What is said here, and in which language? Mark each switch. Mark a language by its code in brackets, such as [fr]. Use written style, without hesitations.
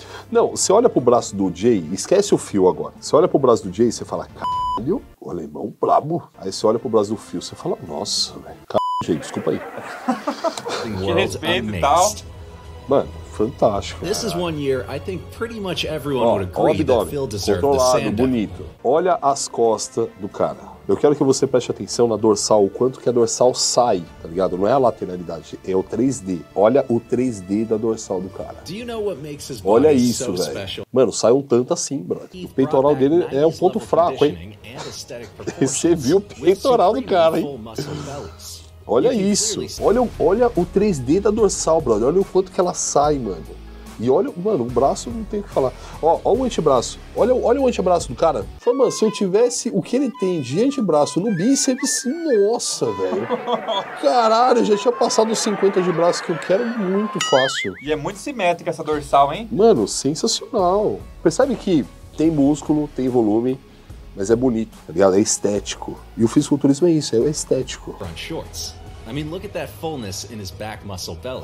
[pt] Não, você olha pro braço do Jay, esquece o Phil agora. Você olha pro braço do Jay e você fala, caralho, o alemão brabo. Aí você olha pro braço do Phil, você fala, nossa, velho, caralho, Jay, desculpa aí. Que respeito e tal. Mano, fantástico. [en] This is one year I think pretty much everyone would agree that Phil deserved the Sandow. [pt] Bonito. Olha as costas do cara. Eu quero que você preste atenção na dorsal, o quanto que a dorsal sai, tá ligado? Não é a lateralidade, é o 3D. Olha o 3D da dorsal do cara. Olha isso, velho. Mano, sai um tanto assim, brother. O peitoral dele é um ponto fraco, hein? Você viu o peitoral do cara, hein? Olha isso. Olha o 3D da dorsal, brother. Olha o quanto que ela sai, mano. E olha, mano, o braço não tem o que falar. Ó, o antebraço. Olha o antebraço do cara. Fala, mano, se eu tivesse o que ele tem de antebraço no bíceps, nossa, velho. Caralho, já tinha passado os 50 de braço que eu quero muito fácil. E é muito simétrica essa dorsal, hein? Mano, sensacional. Percebe que tem músculo, tem volume, mas é bonito, tá ligado? É estético. E o fisiculturismo é isso, é estético. [en] I mean, look at that fullness in his back muscle bellies.